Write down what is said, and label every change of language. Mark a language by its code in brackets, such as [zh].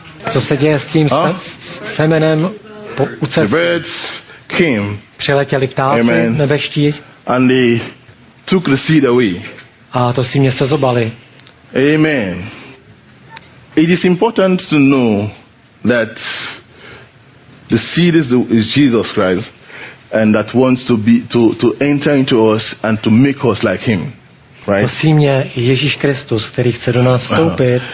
[cs] Co se děje s tím semenem u cesty? [en] The birds came. [cs] Přiletěli ptáci nebeští. [en] And they took the seed away. [cs] A to si mě sezobali. Amen. [en] It is important to know that the seed is Jesus Christ, and that wants to enter into us and to make us like him, right? [cs] To sémě Ježíš Kristus, který chce do nás vstoupit.